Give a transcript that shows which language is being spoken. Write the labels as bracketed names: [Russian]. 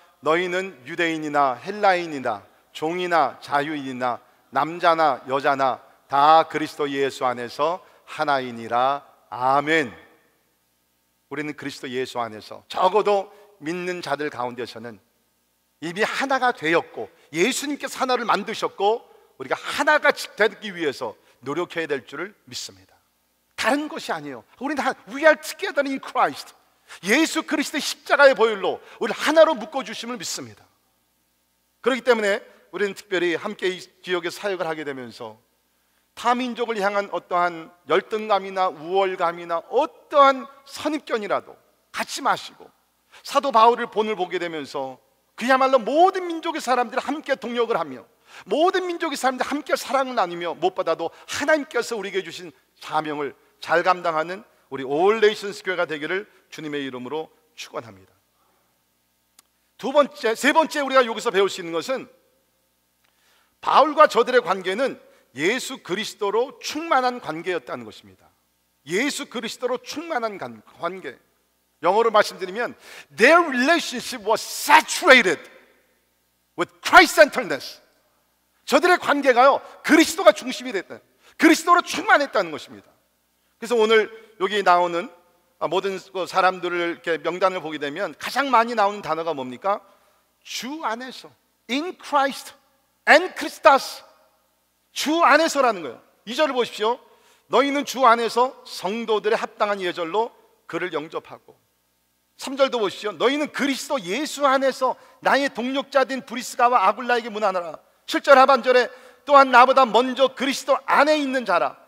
[Korean] 너희는 유대인이나 헬라인이나 종이나 자유인이나 남자나 여자나 다 그리스도 예수 안에서 하나이니라. 아멘. 우리는 그리스도 예수 안에서, 적어도 믿는 자들 가운데서는 이미 하나가 되었고 예수님께서 하나를 만드셨고 우리가 하나가 되기 위해서 노력해야 될 줄을 믿습니다. 다른 것이 아니에요. 우리는 [English] We are together in Christ. [Korean] 예수 그리스도의 십자가의 보혈로 우리를 하나로 묶어주심을 믿습니다. 그렇기 때문에 우리는 특별히 함께 이 지역에 사역을 하게 되면서 타민족을 향한 어떠한 열등감이나 우월감이나 어떠한 선입견이라도 갖지 마시고, 사도 바울을 본을 보게 되면서 그야말로 모든 민족의 사람들이 함께 동역을 하며 모든 민족의 사람들이 함께 사랑을 나누며 무엇보다도 하나님께서 우리에게 주신 사명을 잘 감당하는 우리 올 네이션스 교회가 되기를 주님의 이름으로 축원합니다. 두 번째, 세 번째 우리가 여기서 배울 수 있는 것은 바울과 저들의 관계는 예수 그리스도로 충만한 관계였다는 것입니다. 예수 그리스도로 충만한 관계. 영어로 말씀드리면 [English] Their relationship was saturated with Christ-centeredness. [Korean] 저들의 관계가요, 그리스도가 중심이 됐다, 그리스도로 충만했다는 것입니다. 그래서 오늘 여기 나오는 모든 사람들을 이렇게 명단을 보게 되면 가장 많이 나오는 단어가 뭡니까? 주 안에서, [English] In Christ and Christus. [Korean] 주 안에서라는 거예요. 2절을 보십시오. 너희는 주 안에서 성도들의 합당한 예절로 그를 영접하고, 3절도 보시죠. 너희는 그리스도 예수 안에서 나의 동역자된 브리스가와 아굴라에게 문안하라. 7절 하반절에 또한 나보다 먼저 그리스도 안에 있는 자라.